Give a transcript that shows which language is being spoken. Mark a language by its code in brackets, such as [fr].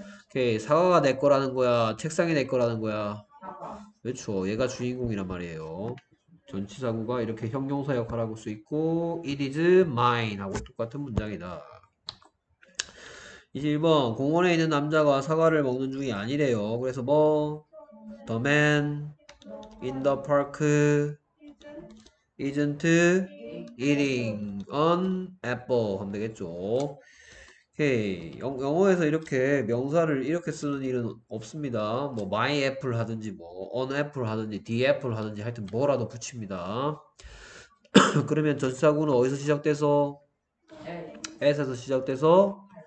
[ko] 오케이. 사과가 내 거라는 거야. 책상이 내 거라는 거야. 그렇죠. 얘가 주인공이란 말이에요. 전치사구가 이렇게 형용사 역할하고 수 있고, [en] it is mine [ko] 하고 똑같은 문장이다. 21번. 공원에 있는 남자가 사과를 먹는 중이 아니래요. 그래서 뭐? [en] The man in the park isn't eating an apple. [ko] 하면 되겠죠. 오케이. 영어에서 이렇게 명사를 이렇게 쓰는 일은 없습니다. 뭐, my apple 하든지, 뭐, an apple 하든지, the apple 하든지, 하여튼 뭐라도 붙입니다. 그러면 전치사구는 어디서 시작돼서? at에서 시작돼서?